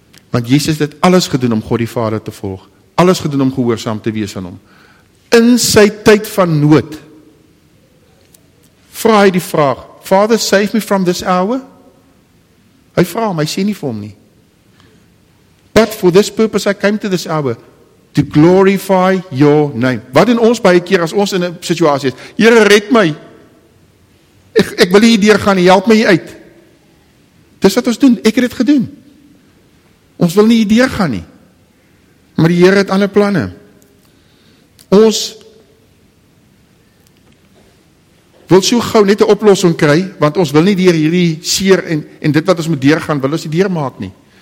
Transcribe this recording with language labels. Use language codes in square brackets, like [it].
[af] Want Jesus het alles gedoen om God die Vader te volg. Alles gedoen om gehoorsaam te wees aan hom. In sy tyd van nood, vraag hy die vraag, [en] Father, save me from this hour? [af] Hy vraag hom, hy sê nie vir hom nie. [en] But for this purpose I came to this hour, to glorify your name. [af] Wat in ons baie keer, as ons in 'n situasie is, Here, red my. Ek wil hier deur gaan, help my hier uit. Dis wat ons doen, ek het dit gedoen. Ons wil nie hier deur gaan nie. Maar die Heer het ander planne. Ons wil so gauw net 'n oplossing kry, want ons wil nie deur hierdie seer en dit wat ons moet deurgaan, wil ons nie deurmaak nie.